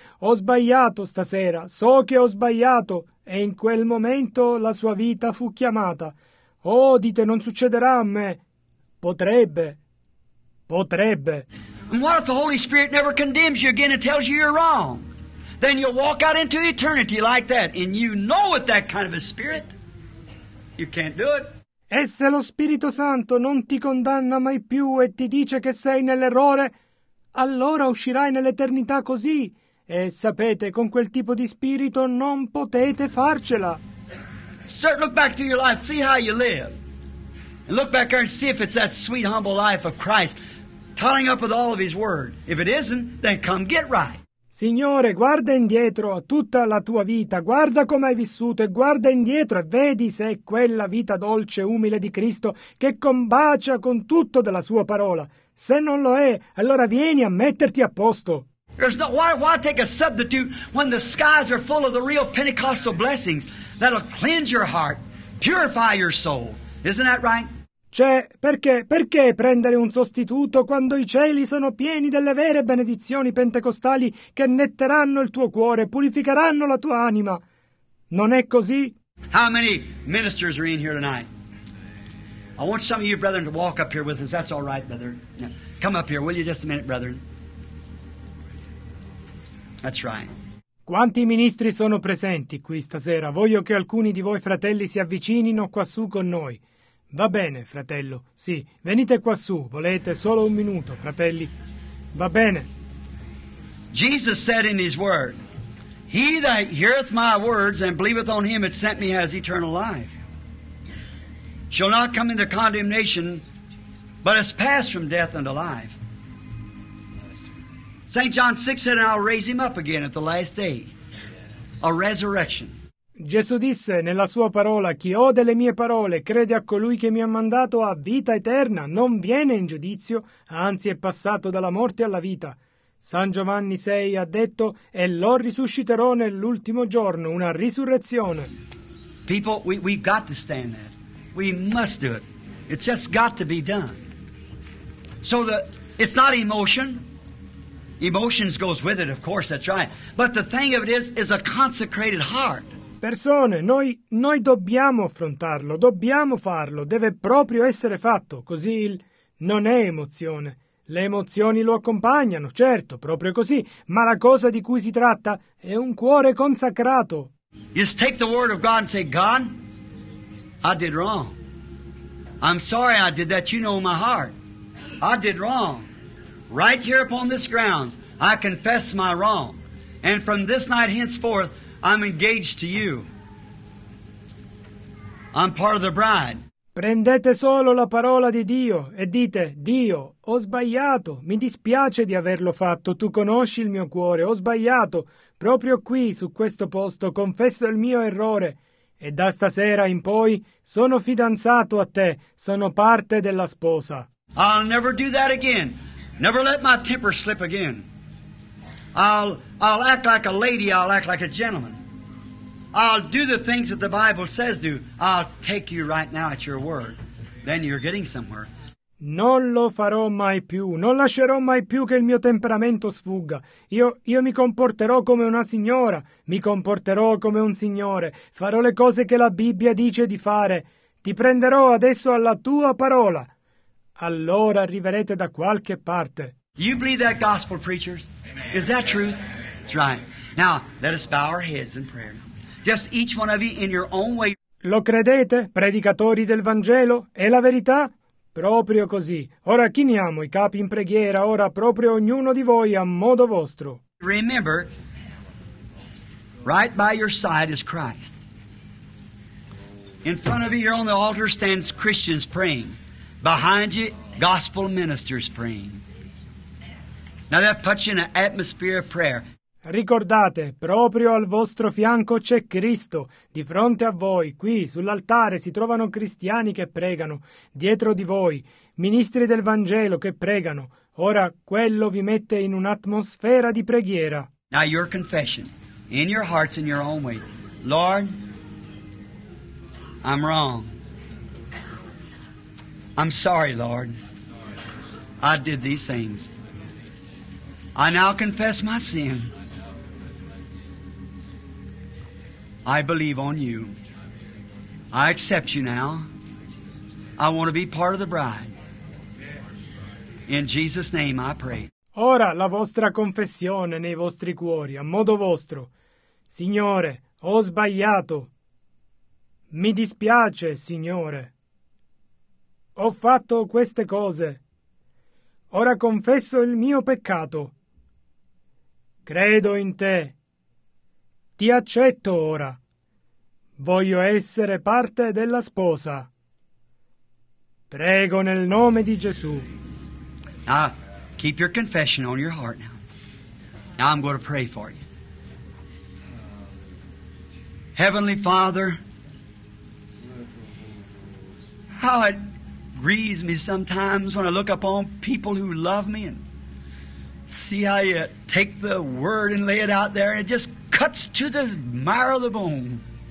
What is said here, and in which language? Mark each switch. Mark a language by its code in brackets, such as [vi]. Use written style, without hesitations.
[it] Ho sbagliato stasera, so che ho sbagliato!» E in quel momento la sua vita fu chiamata. «Oh, dite, non succederà a me!» «Potrebbe! Potrebbe!» [en] And what if the Holy Spirit never condemns you again and tells you you're wrong? Then you'll walk out into eternity like that. And you know with that kind of a spirit, you can't do it. [it] E se lo Spirito Santo non ti condanna mai più e ti dice che sei nell'errore, allora uscirai nell'eternità così. E sapete, con quel tipo di spirito non potete farcela. [en] Sir, look back to your life, see how you live. And look back there and see if it's that sweet, humble life of Christ. Tying up with all of his word. If it isn't, then come get right. [it] Signore, guarda indietro a tutta la tua vita, guarda come hai vissuto e guarda indietro e vedi se è quella vita dolce e umile di Cristo che combacia con tutto della sua parola. Se non lo è, allora vieni a metterti a posto. [en] No, why take a substitute when the skies are full of the real Pentecostal blessings that'll cleanse your heart, purify your soul. Isn't that right? [it] Cioè, perché prendere un sostituto quando i cieli sono pieni delle vere benedizioni pentecostali che netteranno il tuo cuore, purificheranno la tua anima? Non è così? [en] How many ministers are in here tonight? I want some of you brethren to walk up here with us. That's all right, brother. Now, come up here, will you, just a minute, brethren. That's right. [it] Quanti ministri sono presenti qui stasera? Voglio che alcuni di voi fratelli si avvicinino quassù con noi. Va bene, fratello. Sì, venite quassù. Volete solo un minuto, fratelli? Va bene. [en] Jesus said in his word, "He that heareth my words and believeth on him that sent me has eternal life. Shall not come into condemnation, but is passed from death unto life." St. John 6 said, "I'll raise him up again at the last day." A resurrection. [it] Gesù disse nella sua parola, "Chi ode le mie parole e crede a colui che mi ha mandato ha vita eterna, non viene in giudizio, anzi è passato dalla morte alla vita." San Giovanni 6 ha detto, "E lo risusciterò nell'ultimo giorno, una risurrezione." [en] People, we've got to stand that. We must do it. It's just got to be done. So that it's not emotion. Emotions goes with it, of course, that's right. But the thing of it is a consecrated heart. [it] Persone, noi dobbiamo affrontarlo, dobbiamo farlo, deve proprio essere fatto, così non è emozione. Le emozioni lo accompagnano, certo, proprio così, ma la cosa di cui si tratta è un cuore consacrato. [en] Just take the word of God and say, "God, I did wrong. I'm sorry I did that, you know my heart. I did wrong. Right here upon this ground, I confess my wrong. And from this night henceforth, I'm engaged to you. I'm part of the bride." [it] Prendete solo la parola di Dio e dite, "Dio, ho sbagliato, mi dispiace di averlo fatto, tu conosci il mio cuore, ho sbagliato, proprio qui, su questo posto, confesso il mio errore. E da stasera in poi, sono fidanzato a te, sono parte della sposa." [en] I'll never do that again. Never let my temper slip again. I'll act like a lady, I'll act like a gentleman. I'll do the things that the Bible says do. I'll take you right now at your word. Then you're getting somewhere. [it] Non lo farò mai più. Non lascerò mai più che il mio temperamento sfugga. Io mi comporterò come una signora. Mi comporterò come un signore. Farò le cose che la Bibbia dice di fare. Ti prenderò adesso alla tua parola. Allora arriverete da qualche parte. [en] You believe that gospel, preachers? Amen. Is that truth? That's right. Now, let us bow our heads in prayer. Just each one of you in your own way. [it] Lo credete, predicatori del Vangelo? È la verità? Proprio così. Ora chiniamo i capi in preghiera, ora proprio ognuno di voi a modo vostro. [en] Remember, right by your side is Christ. In front of you here on the altar stands Christians praying. Behind you, gospel ministers praying. Now that puts you in an atmosphere of prayer. [it] Ricordate, proprio al vostro fianco c'è Cristo. Di fronte a voi, qui, sull'altare, si trovano cristiani che pregano. Dietro di voi, ministri del Vangelo che pregano. Ora, quello vi mette in un'atmosfera di preghiera. [en] Now your confession, in your hearts, in your own way. Lord, I'm wrong. I'm sorry, Lord. I did these things. I now confess my sin. I believe on you. I accept you now. I want to be part of the bride. In Jesus' name I pray. [it] Ora la vostra confessione nei vostri cuori, a modo vostro. Signore, ho sbagliato. Mi dispiace, Signore. Ho fatto queste cose. Ora confesso il mio peccato. Credo in te. Ti accetto ora. Voglio essere parte della sposa. Prego nel nome di Gesù. [en] Now, keep your confession on your heart now. Now I'm going to pray for you. Heavenly Father, how it grieves me sometimes when I look upon people who love me and see how you take the word and lay it out there and it just cuts to the marrow of the bone.